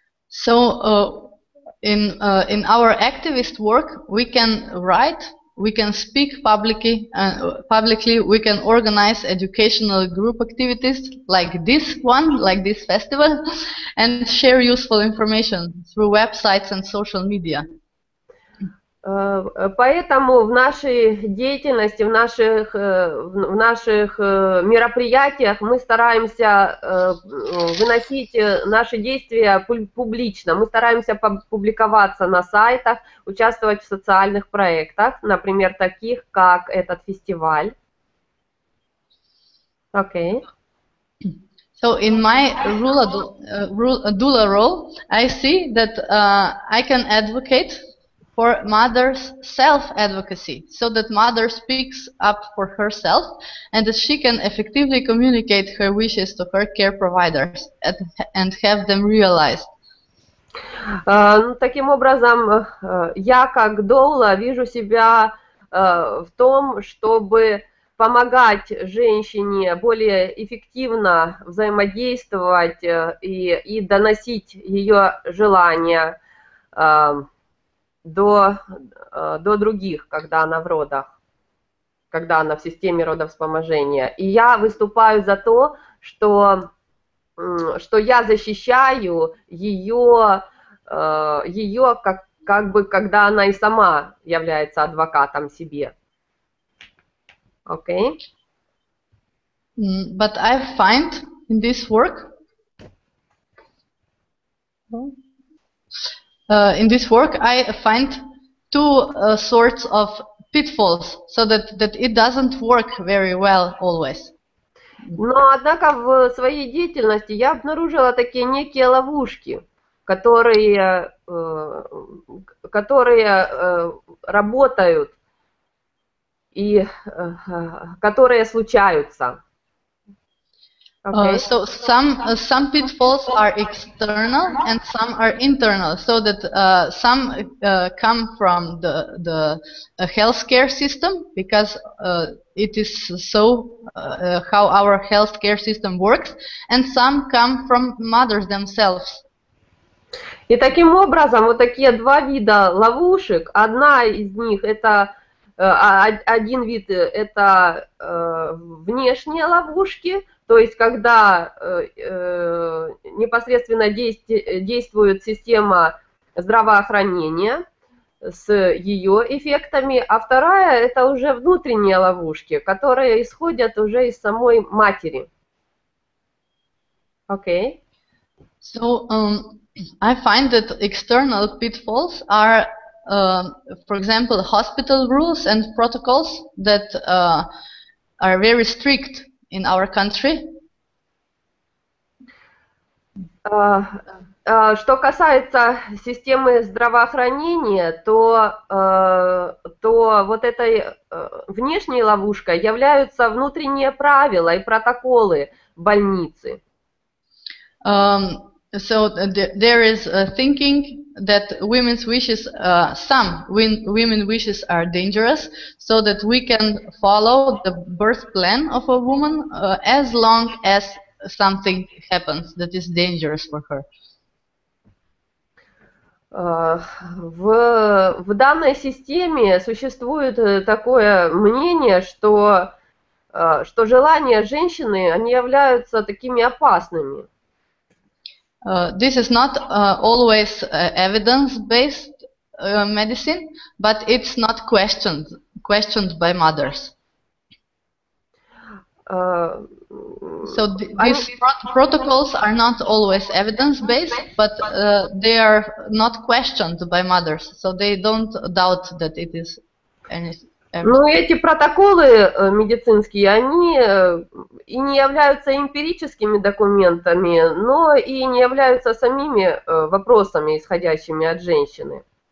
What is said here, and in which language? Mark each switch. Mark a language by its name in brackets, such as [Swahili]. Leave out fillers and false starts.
[English] So in our activist work we can write, we can speak publicly, we can organize educational group activities like this one, like this festival, and share useful information through websites and social media. [Russian] Поэтому в нашей деятельности, в наших мероприятиях мы стараемся выносить наши действия публично. Мы стараемся публиковаться на сайтах, участвовать в социальных проектах, например, таких, как этот фестиваль. [English] Окей. So in my doula role, I see that I can advocate for mother's self-advocacy, so that mother speaks up for herself and that she can effectively communicate her wishes to her care providers and have them realized. [Russian] Таким образом, я как доула вижу себя в том, чтобы помогать женщине более эффективно взаимодействовать и доносить ее желания до других, когда она в родах, когда она в системе родовспоможения. И я выступаю за то, что я защищаю ее как бы, когда она и сама является адвокатом себе. [English] Окей? But I find in this work... in this work, I find two sorts of pitfalls, so that it doesn't work very well always. [Russian] Но, однако, в своей деятельности я обнаружила такие некие ловушки, которые работают и которые случаются. [English] Okay. So some pitfalls are external and some are internal. So that some come from the healthcare system because it is so how our healthcare system works, and some come from mothers themselves. [Russian] И таким образом вот такие два вида ловушек. Одна из них это один вид это внешние ловушки. То есть, когда непосредственно действует система здравоохранения с ее эффектами, а вторая – это уже внутренние ловушки, которые исходят уже из самой матери. [English] Окей. Okay. So, I find that external pitfalls are, for example, hospital rules and protocols that are very strict in our country. [Russian] Что касается системы здравоохранения, то вот этой внешней ловушкой являются внутренние правила и протоколы больницы. [English] So there is a thinking that women's wishes, some women wishes are dangerous, so that we can follow the birth plan of a woman as long as something happens that is dangerous for her. [Russian] В данной системе существует такое мнение, что, что желания женщины они являются такими опасными. [English] This is not always evidence-based medicine, but it's not questioned by mothers. So these protocols are not always evidence-based, but they are not questioned by mothers, so they don't doubt that it is anything. [Russian] Ну, эти протоколы медицинские, они и не являются эмпирическими документами, но и не являются самими вопросами, исходящими от женщины.